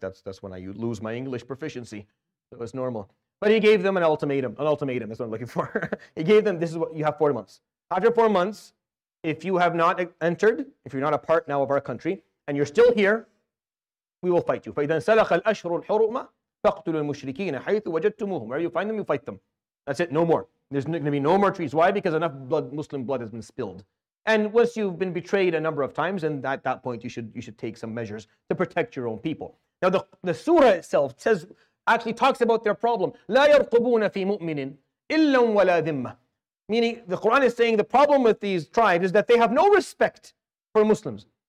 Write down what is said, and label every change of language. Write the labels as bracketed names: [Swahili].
[English] That's when I lose my English proficiency. So it's normal. But he gave them an ultimatum. That's what I'm looking for. He gave them, this is what you have 4 months. After 4 months, if you have not entered, if you're not a part now of our country, and you're still here, we will fight you. [Arabic] فَإِذَا سَلَخَ الْأَشْهُرُ الْحُرُمَةِ فَاقْتُلُوا الْمُشْرِكِينَ حَيْثُ وَجَدْتُمُهُمْ [English] Where you find them, you fight them. That's it, no more. There's going to be no more treaties. Why? Because enough blood, Muslim blood has been spilled. And once you've been betrayed a number of times, and at that point you should take some measures to protect your own people. Now the surah itself says, actually talks about their problem. [Arabic] لَا يَرْقُبُونَ فِي مُؤْمِنٍ إِلَّا وَلَا ذِمَّةٍ [English] Meaning the Quran is saying the problem with these tribes is that they have no respect for Muslims.